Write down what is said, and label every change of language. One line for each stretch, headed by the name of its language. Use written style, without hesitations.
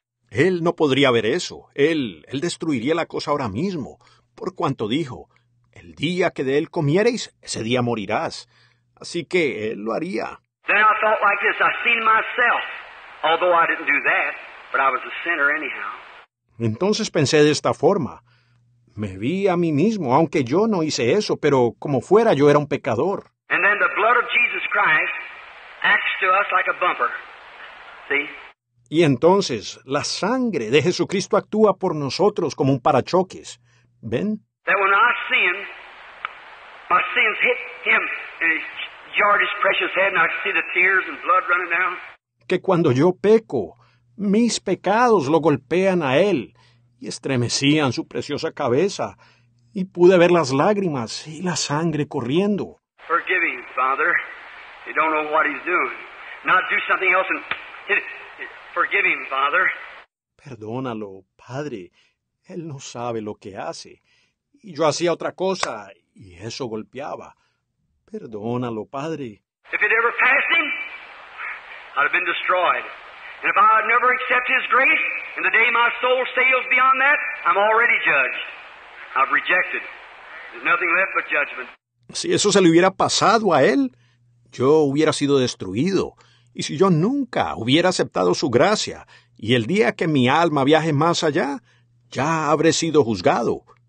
Spanish: Él no podría ver eso. Él destruiría la cosa ahora mismo. Por cuanto dijo, el día que de él comiereis, ese día morirás. Así que él lo haría.
English: Then I thought like this, I seen myself, although I didn't do that, but I was a sinner anyhow.
Spanish: Entonces pensé de esta forma. Me vi a mí mismo, aunque yo no hice eso, pero como fuera yo era un pecador.
English: And then the blood of Jesus Christ acts to us like a bumper. See?
Spanish: Y entonces, la sangre de Jesucristo actúa por nosotros como un parachoques. ¿Ven?
English: That when I sin, my sins hit him and he jarred his precious head and I see the tears and blood running down.
Spanish: Que cuando yo peco, mis pecados lo golpean a él y estremecían su preciosa cabeza y pude ver las lágrimas y la sangre corriendo.
English: Forgive him, Father. You don't know what he's doing. Now do something else and... Forgive him, Father.
Spanish: Perdónalo, Padre. Él no sabe lo que hace. Y yo hacía otra cosa, y eso golpeaba. Perdónalo, Padre.
English: If it ever passed him, I'd have been destroyed. And if I never accept his grace, and the day my soul sails beyond that, I'm already judged. I've rejected. There's nothing left but judgment.
Spanish: Si eso se le hubiera pasado a él, yo hubiera sido destruido. Y si yo nunca hubiera aceptado su gracia, y el día que mi alma viaje más allá, ya habré sido juzgado.